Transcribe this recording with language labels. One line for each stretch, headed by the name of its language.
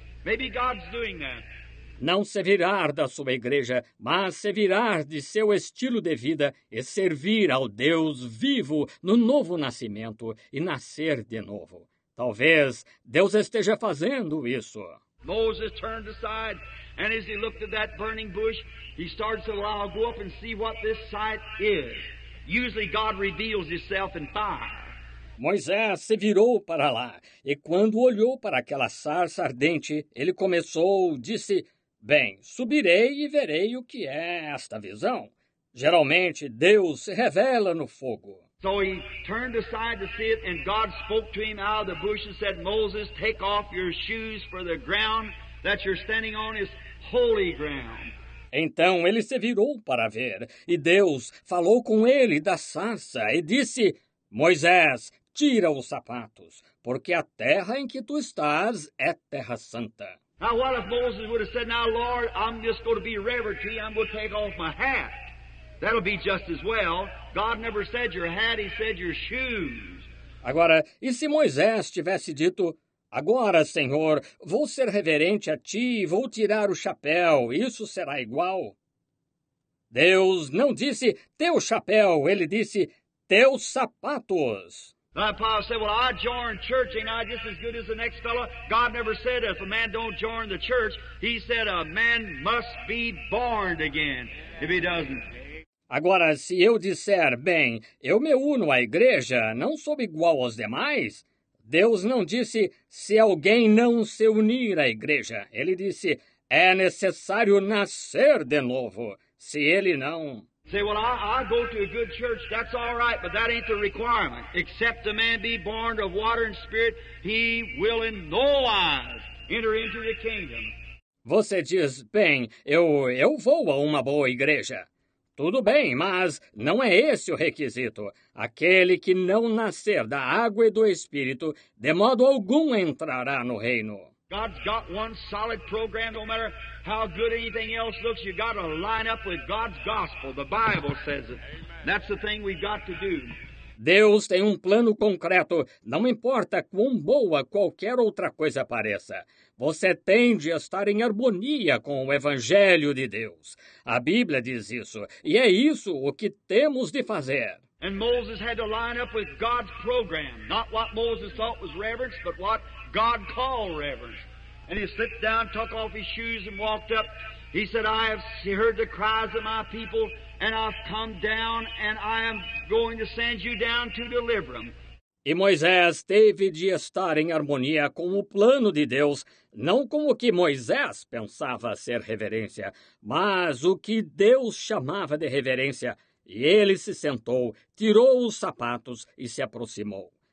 English: Maybe God's doing that.
Portuguese: Não se virar da sua igreja, mas se virar de seu estilo de vida e servir ao Deus vivo no novo nascimento e nascer de novo. Talvez Deus esteja fazendo isso.
English: Moses turned aside, and as he looked at that burning bush, he started to say, well, I'll go up and see what this sight is. Usually God reveals himself in fire.
Portuguese: Moisés se virou para lá, e quando olhou para aquela sarça ardente, ele começou, disse, bem, subirei e verei o que é esta visão. Geralmente, Deus se revela no fogo.
English: So he turned aside to see it, and God spoke to him out of the bush and said, Moses, take off your shoes, for the ground that you're standing on is holy ground.
Portuguese: Então ele se virou para ver, e Deus falou com ele da sarça e disse, Moisés, tira os sapatos, porque a terra em que tu estás é terra santa.
English: Now what if Moses would have said, now Lord, I'm just going to be reverent to you, I'm going to take off my hat. That'll be just as well. God never said your hat, he said your shoes.
Portuguese: Agora, e se Moisés tivesse dito, agora, Senhor, vou ser reverente a ti e vou tirar o chapéu. Isso será igual? Deus não disse teu chapéu, ele disse teus sapatos.
English: My pastor said, well, I joined church, ain't I just as good as the next fellow? God never said if a man don't join the church, he said a man must be born again if he doesn't.
Portuguese: Agora, se eu disser, bem, eu me uno à igreja, não sou igual aos demais? Deus não disse, se alguém não se unir à igreja. Ele disse, é necessário nascer de novo, se ele não.
English: Say, well, I go to a good church, that's all right, but that ain't the requirement. Except a man be born of water and spirit, he will in no wise enter into the kingdom.
Portuguese: Você diz, bem, eu vou a uma boa igreja. Tudo bem, mas não é esse o requisito. Aquele que não nascer da água e do Espírito, de modo algum entrará no reino.
English: God's got one solid program, no matter how good anything else looks, you got to line up with God's gospel. The Bible says it. That's the thing we got to do.
Portuguese: Deus tem um plano concreto, não importa quão boa qualquer outra coisa pareça. Você tem de estar em harmonia com o Evangelho de Deus. A Bíblia diz isso, e é isso o que temos de fazer.
English: And Moses had to line up with God's program, not what Moses thought was reverence, but what God called reverence. And he slipped down, took off his shoes and walked up. He said, I have heard the cries of my people, and I've come down, and I am going to send you down to deliver them.
Portuguese: E Moisés teve de estar em harmonia com o plano de Deus, não com o que Moisés pensava ser reverência, mas o que Deus chamava de reverência. E ele se sentou, tirou os sapatos e se aproximou.